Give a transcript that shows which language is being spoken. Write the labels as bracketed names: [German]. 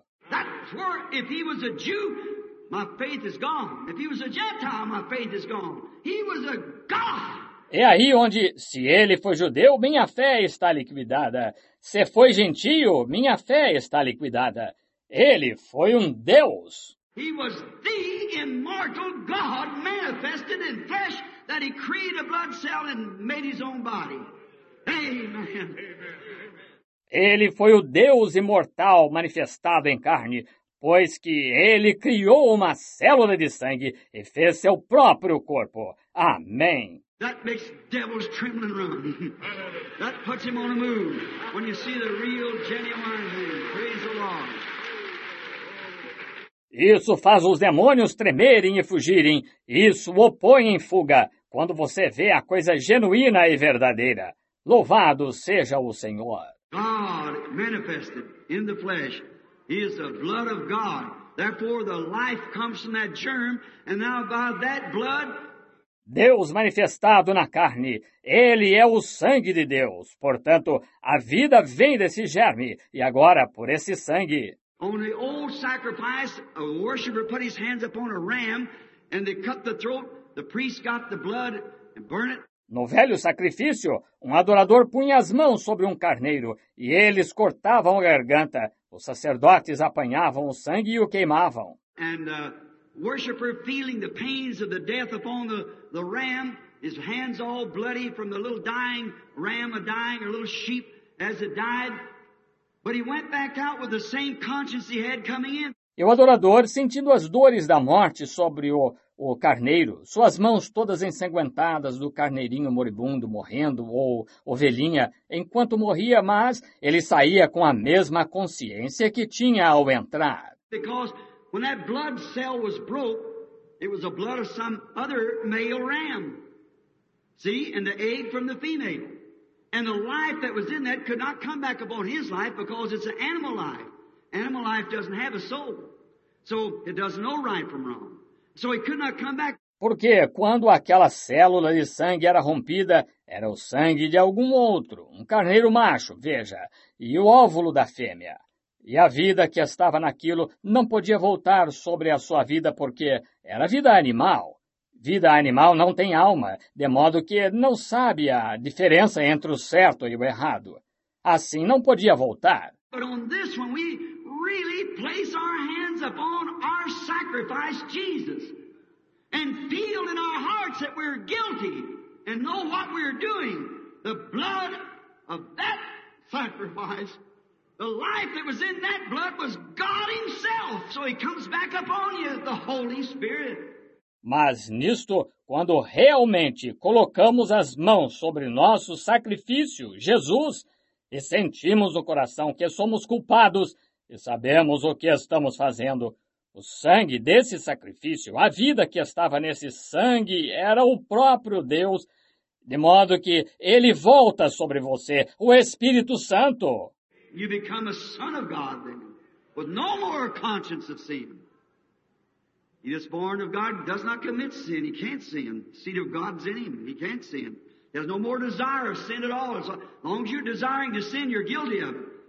[English] That's where, if he was a Jew, my faith is gone. If he was a Gentile, my faith is gone. He was a God. [Portuguese] É aí onde, se ele foi judeu, minha fé está liquidada. Se foi gentio, minha fé está liquidada. Ele foi um Deus. [English] He was the immortal God manifested in flesh that he created a blood cell and made his own body. Amen. [Portuguese] Ele foi o Deus imortal manifestado em carne, pois que ele criou uma célula de sangue e fez seu próprio corpo. Amém. [English] That makes devils tremble and run. That puts him on a move when you see the real genuine him. Praise the Lord. [Portuguese] Isso faz os demônios tremerem e fugirem. Isso o põe em fuga quando você vê a coisa genuína e verdadeira. Louvado seja o Senhor. [English] God manifested in the flesh. He is the blood of God. Therefore, the life comes from that germ, and now by that blood. [Portuguese] Deus manifestado na carne, ele é o sangue de Deus. Portanto, a vida vem desse germe, e agora por esse sangue. [English] On the old sacrifice, a worshiper put his hands upon a ram, and they cut the throat, the priest got the blood, and burned it. [Portuguese] No velho sacrifício, um adorador punha as mãos sobre um carneiro, e eles cortavam a garganta. Os sacerdotes apanhavam o sangue e o queimavam. [English] And the worshiper feeling the pains of the death upon the ram, his hands all bloody from the little dying ram, a dying or little sheep as it died. But he went back out with the same conscience he had coming in. [Portuguese] E o adorador, sentindo as dores da morte sobre o carneiro, suas mãos todas ensanguentadas do carneirinho moribundo morrendo, ou ovelhinha, enquanto morria, mas ele saía com a mesma consciência que tinha ao entrar. [English] Because when that blood cell was broke, it was the blood of some other male ram. See? And the egg from the female. And the life that was in that could not come back upon his life because it's an animal life. Animal life doesn't have a soul. So it doesn't know right from wrong. So he could not come back. [Portuguese] Porque quando aquela célula de sangue era rompida, era o sangue de algum outro, um carneiro macho, veja, e o óvulo da fêmea. E a vida que estava naquilo não podia voltar sobre a sua vida porque era vida animal. Vida animal não tem alma, de modo que não sabe a diferença entre o certo e o errado. Assim, não podia voltar. [English] But on this one, we really place our hands upon our sacrifice, Jesus, and feel in our hearts that we're guilty and know what we're doing. The blood of that sacrifice, the life that was in that blood was God Himself. So He comes back upon you, the Holy Spirit. [Portuguese] Mas nisto, quando realmente colocamos as mãos sobre nosso sacrifício, Jesus, e sentimos no coração que somos culpados e sabemos o que estamos fazendo, o sangue desse sacrifício, a vida que estava nesse sangue, era o próprio Deus, de modo que Ele volta sobre você, o Espírito Santo. [English] You become a son of God, then, with no more conscience of sin. He is born of God, does not commit sin, he can't sin. Seed of God's in him, he can't sin. He has no more desire of sin at all. As long as you're desiring to sin, you're guilty of it.